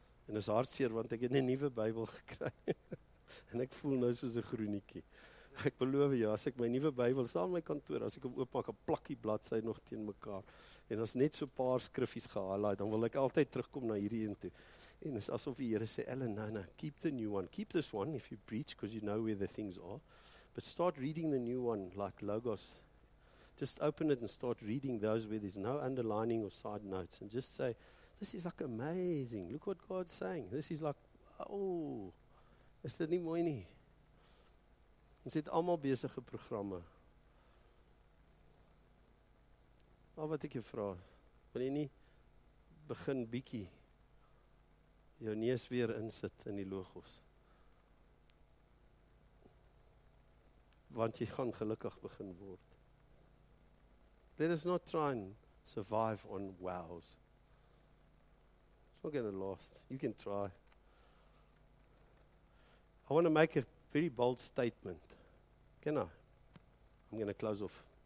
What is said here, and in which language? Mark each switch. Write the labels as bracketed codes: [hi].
[af] En is hartseer, want ek het nie nuwe Bybel gekry. En ek voel nou soos 'n groenietjie. Ek beloof jou, as ek my nuwe Bybel, saam my kantoor, as ek hom oopmaak, 'n plakkie bladsy nog teen mekaar, en as net so paar skriffies gehighlight, dan wil ek altyd terugkom na hierdie een toe. En is asof die Here sê, Ellen, [en] no, keep the new one. Keep this one if you preach, because you know where the things are. But start reading the new one, like Logos. Just open it and start reading those where there's no underlining or side notes. And just say, this is like amazing. Look what God's saying. This is like, oh, [af] is dit nie mooi nie? Ons het almal besige programme. Al wat ek jou vra, wil jy nie begin bietjie jou neus weer insit in die Logos? Want jy gaan gelukkig begin word. [en] Let us not try and survive on wows. It's not going to last. You can try. I want to make a very bold statement. Can I? I'm going to close off.